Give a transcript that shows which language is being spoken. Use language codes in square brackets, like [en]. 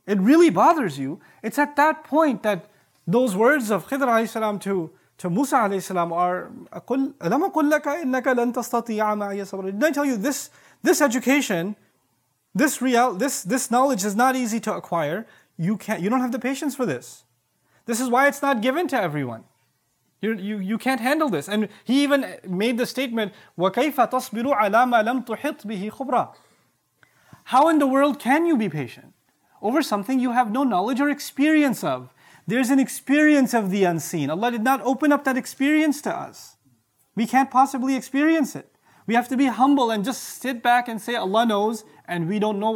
[en] It really bothers you. It's at that point that those words of Khidr alayhi salam to Musa alayhi salam are, [ar] أَلَمْ أَقُلْ لَكَ إِنَّكَ لَنْ تَسْتَطِيعَ مَعَيَّ صَبْرًا. [en] Didn't I tell you this education, this knowledge is not easy to acquire. You don't have the patience for this. This is why it's not given to everyone. You can't handle this. And he even made the statement, [ar] وَكَيْفَ تَصْبِرُ عَلَى مَا لَمْ تُحِطْ بِهِ خُبْرًا. [en] How in the world can you be patient over something you have no knowledge or experience of? There's an experience of the unseen. Allah did not open up that experience to us. We can't possibly experience it. We have to be humble and just sit back and say, Allah knows and we don't know.